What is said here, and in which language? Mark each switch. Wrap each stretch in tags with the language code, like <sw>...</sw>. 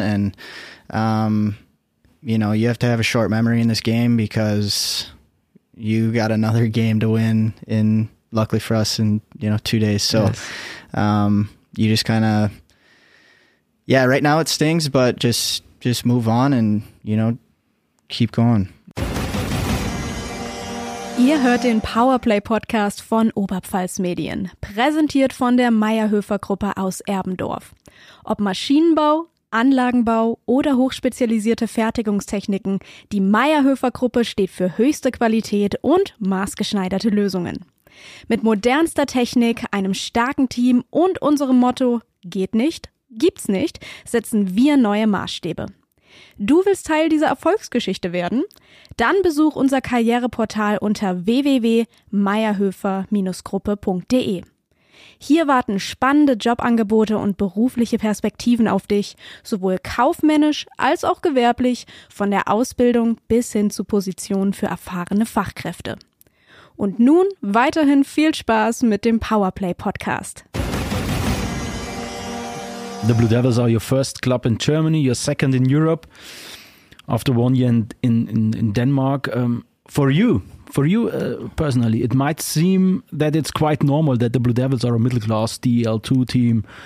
<en>And, you know, you have to have a short memory in this game because you got another game to win in, luckily for us, in, you know, 2 days. So, yes. You just kind of, yeah, right now it stings, but just move on and, you know, keep going.</en> <de>Ihr hört den Powerplay-Podcast von Oberpfalz Medien, präsentiert von der Meierhöfer-Gruppe aus Erbendorf. Ob Maschinenbau, Anlagenbau oder hochspezialisierte Fertigungstechniken, die Meierhöfer-Gruppe steht für höchste Qualität und maßgeschneiderte Lösungen. Mit modernster Technik, einem starken Team und unserem Motto »Geht nicht, gibt's nicht« setzen wir neue Maßstäbe. Du willst Teil dieser Erfolgsgeschichte werden? Dann besuch unser Karriereportal unter www.meierhöfer-gruppe.de. Hier warten spannende Jobangebote und berufliche Perspektiven auf dich, sowohl kaufmännisch als auch gewerblich, von der Ausbildung bis hin zu Positionen für erfahrene Fachkräfte. Und nun weiterhin viel Spaß mit dem Powerplay-Podcast.</de> <en>The Blue Devils are your first club in Germany, your second in Europe, after 1 year in Denmark. For you, personally, it might seem that it's quite normal that the Blue Devils are a middle-class DEL2 team.</en>